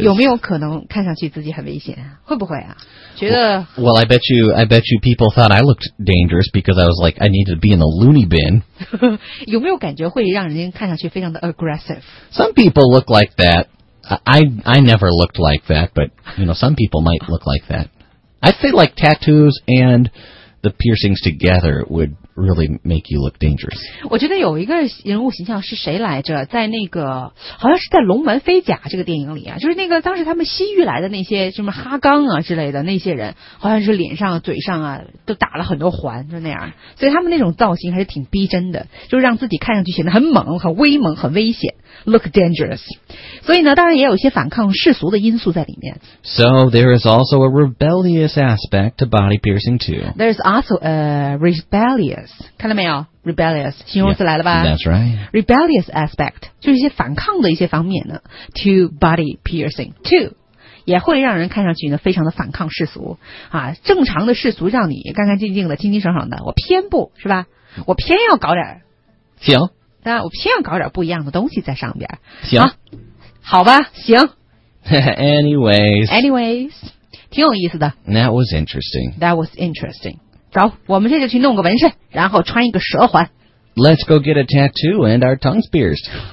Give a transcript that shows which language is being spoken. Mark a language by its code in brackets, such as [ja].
[zh] 有没有可能看上去自己很危险？会不会啊？觉得 [en] well, I bet you people thought I looked dangerous because I was like, I needed to be in the loony bin. [zh] 有没有感觉会让人看上去非常的 aggressive? [en] Some people look like that. I never looked like that, but, you know, some people might look like that. I'd say like tattoos and the piercings together would really make you look dangerous. [zh] 我觉得有一个人物形象是谁来着？在那个好像是在《龙门飞甲》这个电影里啊，就是那个当时他们西域来的那些什么哈刚啊之类的那些人，好像是脸上、嘴上啊都打了很多环，就那样。所以他们那种造型还是挺逼真的，就让自己看上去显得很猛、很威猛、很危险。 [en] Look dangerous. [zh] 所以呢，当然也有一些反抗世俗的因素在里面。 [en] So there is also a rebellious aspect to body piercing too. There is also a rebellious. [zh] 看到没有 ？Rebellious 形容词来了吧 [en] ？That's right. [zh] Rebellious aspect 就是一些反抗的一些方面呢。 [en] To body piercing too. [zh] 也会让人看上去呢非常的反抗世俗啊。正常的世俗让你干干净净的、清清爽爽的，我偏不是吧？我偏要搞点。行。那我偏要搞点不一样的东西在上边。行、啊。好吧行。 [en] Anyways. [zh] 挺有意思的。 [en] That was interesting. That was interesting. [zh] 走我们这就去弄个纹身然后穿一个蛇环。 [en] Let's go get a tattoo and our tongues pierced.